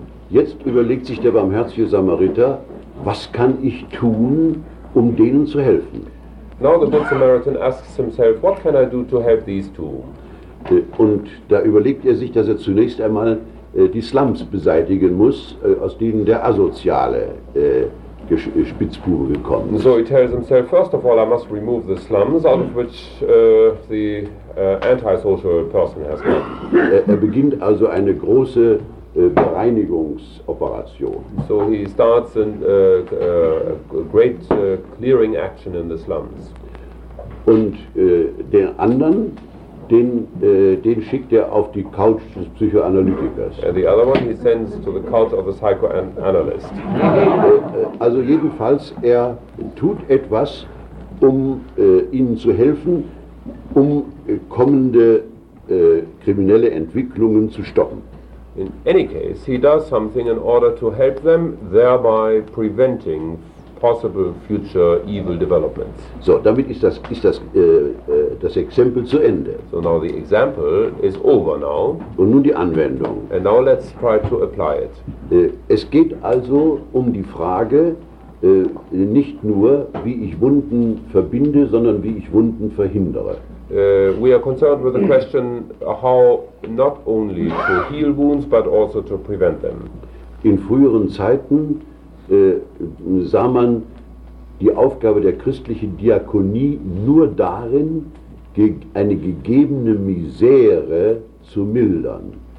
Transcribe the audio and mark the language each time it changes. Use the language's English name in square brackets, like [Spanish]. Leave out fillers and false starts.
[German] Jetzt überlegt sich der barmherzige Samariter, was kann ich tun, um denen zu helfen? [English] Now the good Samaritan asks himself, what can I do to help these two? [German] Und da überlegt er sich, dass er zunächst einmal die Slums beseitigen muss, aus denen der asoziale Spitzbube gekommen ist. [English] So he tells himself, first of all I must remove the slums, out of which the antisocial person has come. [German] Er beginnt also eine große Bereinigungsoperation. [English] So he starts a great clearing action in the slums. [German] Und den anderen, den schickt auf die Couch des Psychoanalytikers. [English] The other one he sends to the couch of the psychoanalyst. [German] Also jedenfalls, er tut etwas, ihnen zu helfen, kommende kriminelle Entwicklungen zu stoppen. [English] In any case, he does something in order to help them, thereby preventing possible future evil developments. [German] So, damit ist das Exempel zu Ende. [English] So now the example is over now. [German] Und nun die Anwendung. [English] And now let's try to apply it. [German] Es geht also die Frage, nicht nur wie ich Wunden verbinde, sondern wie ich Wunden verhindere. [English] We are concerned with the question how not only to heal wounds but also to prevent them. [German] In früheren Zeiten sah man die Aufgabe der christlichen Diakonie nur darin, eine gegebene Misere zu mildern.